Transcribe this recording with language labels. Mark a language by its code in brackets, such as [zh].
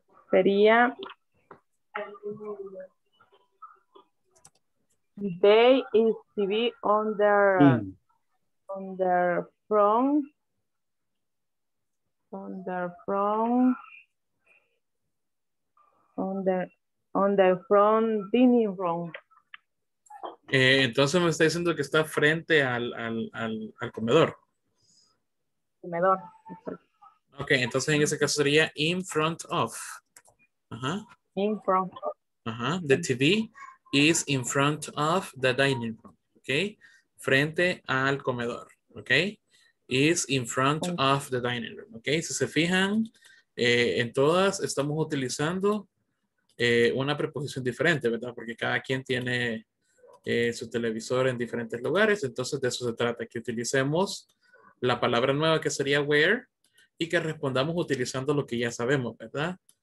[en] Sería they is to be on their on their front on their front on the front dining room. [es] Entonces me está diciendo que está frente al comedor. Comedor. Ok, entonces en ese caso sería [en] in front of. Uh-huh. In front of. Uh-huh. The TV is in front of the dining room. Ok, [es] frente al comedor. [en] Ok, is in front of the dining room. [es] Ok, si se fijan, en todas estamos utilizando una preposición diferente, ¿verdad? Porque cada quien tiene... su televisor en diferentes lugares. Entonces de eso se trata, que utilicemos la palabra nueva que sería where y que respondamos utilizando lo que ya sabemos, ¿verdad?